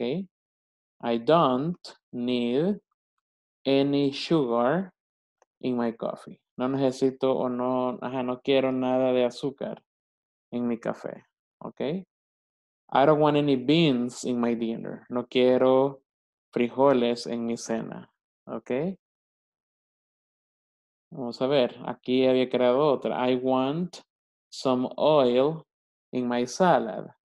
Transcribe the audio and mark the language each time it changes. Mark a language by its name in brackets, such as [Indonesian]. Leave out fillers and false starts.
[English] I don't need any sugar in my coffee. [Spanish] No necesito o no, ajá, no quiero nada de azúcar en mi café. ¿Ok? [English] I don't want any beans in my dinner. [Spanish] No quiero frijoles en mi cena. ¿Ok? Vamos a ver. Aquí había creado otra. [English] I want some oil in my salad.